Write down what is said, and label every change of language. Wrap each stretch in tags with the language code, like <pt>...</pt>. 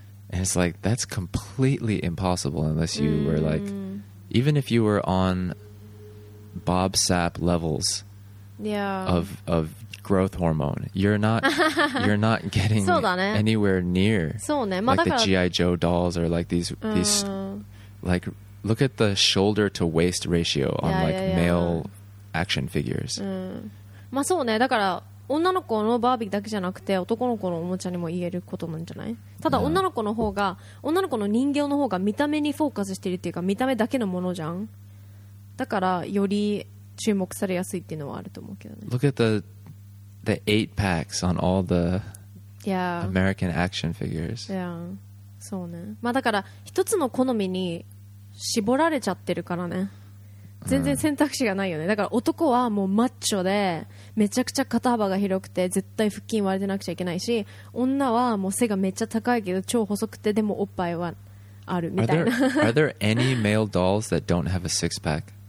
<en>And it's like, that's completely impossible unless you were like, even if you were on Bob Sapp levels of growth hormone, you're not getting anywhere near like the G.I. Joe dolls or like these like look at the shoulder to waist ratio on male action figures.</en> <ja>まあそうね、だから女の子のバービーだけじゃなくて男の子のおもちゃにも言えることなんじゃない？ただ女の子の方が、女の子の人形の方が見た目にフォーカスしてるっていうか、見た目だけのものじゃん。だからより注目されやすいっていうのはあると思うけどね。</ja> <en>Look at the 8 packs on all the American action figures. Yeah.</en> <ja>そうね。まあだから一つの好みに絞られちゃってるからね。全然選択肢がないよね。だから男はもうマッチョでめちゃくちゃ肩幅が広くて絶対腹筋割れてなくちゃいけないし、女はもう背がめっちゃ高いけど超細くてでもおっぱいはあるみたいな。</ja> <en>Are there any male dolls that don't have a six pack?</en>